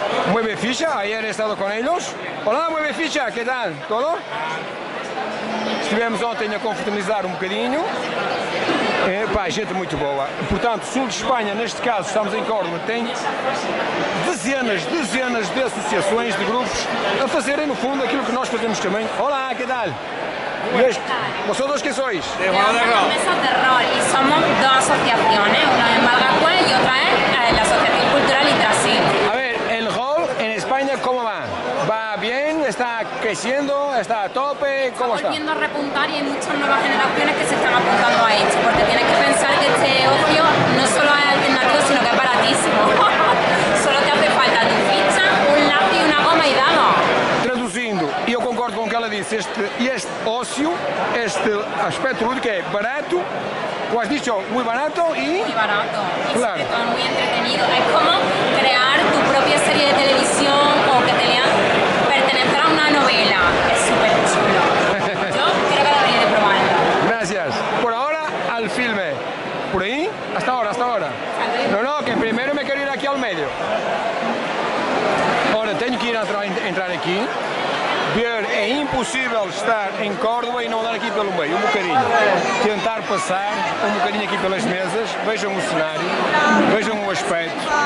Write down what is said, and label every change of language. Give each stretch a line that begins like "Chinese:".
Spanish: Muy bien, ficha, ayer he estado con ellos. Hola, muy bien, ficha, ¿qué tal? ¿Todo?
Portuguese: Estivemos ontem a confraternizar um bocadinho. É, pá, gente muito boa. Portanto, sul de Espanha, neste caso, estamos em Córdoba, tem dezenas, dezenas de associações, de grupos, a fazerem, no fundo, aquilo que nós fazemos também.
Spanish: Olá, que tal? Vosotros, ¿qué sois? De Juan de Rol. Mesa de Rol, y somos dos asociaciones, una en Malgacue y otra en la Asociación Cultural Itrasil. A ver, el rol en España, ¿cómo va? ¿Va bien? ¿Está creciendo? ¿Está a tope? ¿Cómo está? Está volviendo a repuntar y hay muchas nuevas generaciones que se están apuntando a esto, porque tienes que pensar que este ocio no solo es alternativo, sino que es baratísimo. Solo te hace falta tu ficha, un lápiz y una goma y damos. Traduciendo, y yo concordo con lo que ella dice, este ocio, este aspecto lúdico es barato, como has dicho, muy barato y... Muy barato, y claro. Sobre todo muy entretenido. Es como crear tu propia serie de televisión o que te lean, pertenecer a una novela. Es súper chulo. Yo creo que debería de probarlo. Gracias. Por ahora, al filme. ¿Por ahí? Hasta ahora, hasta ahora. No, no, que primero me quiero ir aquí al medio.
Portuguese: Ora, tenho que ir entrar aqui, ver, é impossível estar em Córdoba e não andar aqui pelo meio, um bocadinho. Tentar passar um bocadinho aqui pelas mesas, vejam o cenário, vejam o aspecto.